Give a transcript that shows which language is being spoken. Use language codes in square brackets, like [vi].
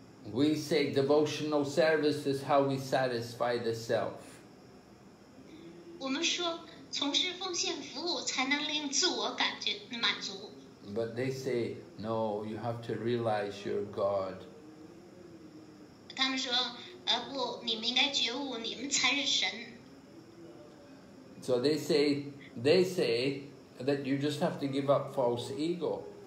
[en] We say devotional service is how we satisfy the self. [zh] 我们说，从事奉献服务才能令自我感觉满足。 [en] But they say, no, you have to realize you're God. [zh] 他们说，不，你们应该觉悟，你们才是神。 [en] So they say that you just have to give up false ego.